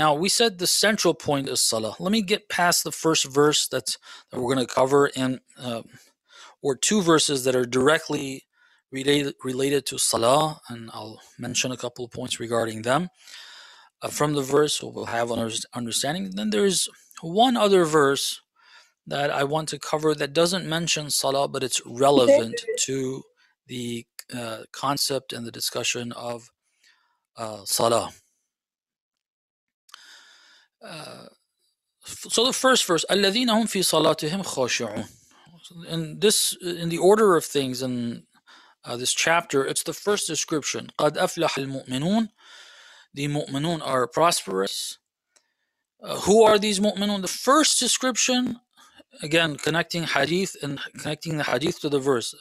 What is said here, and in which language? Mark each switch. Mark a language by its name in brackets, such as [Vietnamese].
[English] Now, we said the central point is salah. Let me get past the first verse that we're going to cover, and or two verses that are directly related to salah, and I'll mention a couple of points regarding them from the verse, so we'll have an understanding. Then there's one other verse that I want to cover that doesn't mention salah, but it's relevant to the concept and the discussion of salah. So the first verse, [Arabic] الَّذِينَ هُمْ فِي صَلَاتِهِمْ خَاشِعُونَ. [English] In the order of things in this chapter, it's the first description. [Arabic] قَدْ أَفْلَحَ الْمُؤْمِنُونَ. [English] The mu'minun are prosperous. Who are these mu'minun? The first description, again, connecting the hadith to the verse.